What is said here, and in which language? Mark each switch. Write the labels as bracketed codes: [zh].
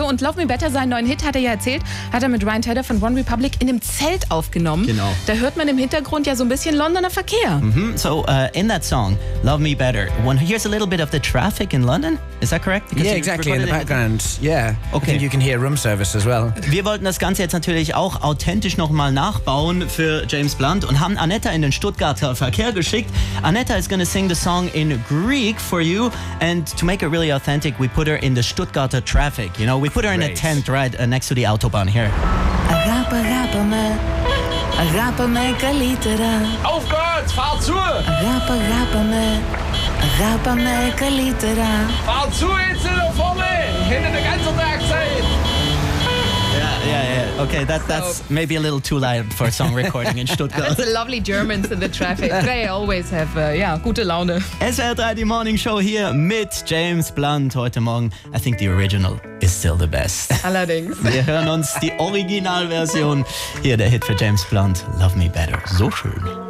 [de] Yeah. Und Love Me Better, seinen neuen Hit, hat er ja erzählt, hat er mit Ryan Tedder von One Republic in einem Zelt aufgenommen. Genau. Da hört man im Hintergrund ja so ein bisschen Londoner Verkehr. Mm-hmm. [en] So in that song, Love Me Better, one hears a little bit of the traffic in London. Is that correct? Because yeah, exactly, in the background. Yeah, okay. I think you can hear room service as well. [de] Wir wollten das Ganze jetzt natürlich auch authentisch nochmal nachbauen für James Blunt und haben Anetta in den Stuttgarter Verkehr geschickt. [en] Anetta is going to sing the song in Greek for you. And to make it really authentic, we put her in the Stuttgarter traffic. You know, we put her in a tent right next to the Autobahn here. [de] Auf geht's, fahr zu! Rapa meka litera. Fahr zu jetzt in der Formel! Ich hätte den ganzen Tag Zeit! [en] Yeah. Okay, that's maybe a little too loud for a song recording in Stuttgart. It's a lovely Germans in the traffic. They always have, [de] gute Laune. SWR 3, die Morning Show hier mit James Blunt heute Morgen. [en] I think the original is still the best. [de] Allerdings. Wir hören uns die Originalversion hier, der Hit für James Blunt, Love Me Better. So schön.